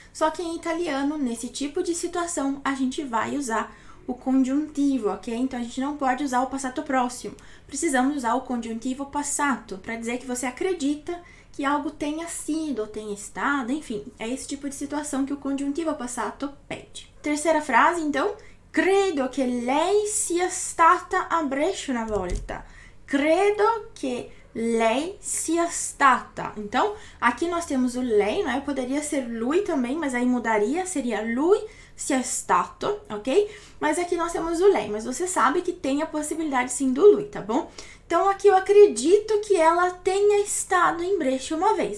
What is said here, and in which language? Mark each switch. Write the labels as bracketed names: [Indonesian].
[Portuguese] Só que em italiano, nesse tipo de situação, a gente vai usar o conjuntivo, ok? Então a gente não pode usar o passado próximo. Precisamos usar o conjuntivo passato para dizer que você acredita que algo tenha sido ou tenha estado, enfim. É esse tipo de situação que o conjuntivo passato pede. Terceira frase, então. [Italian] Credo che lei sia stata a Brescia una volta. Credo che lei sia stata. [Portuguese] Então, aqui nós temos o lei, não é? Poderia ser lui também, mas aí mudaria, seria [Italian] lui sia stato, [Portuguese] ok? Mas aqui nós temos o lei, mas você sabe que tem a possibilidade sim do lui, tá bom? Então, aqui eu acredito que ela tenha estado em Brescia uma vez.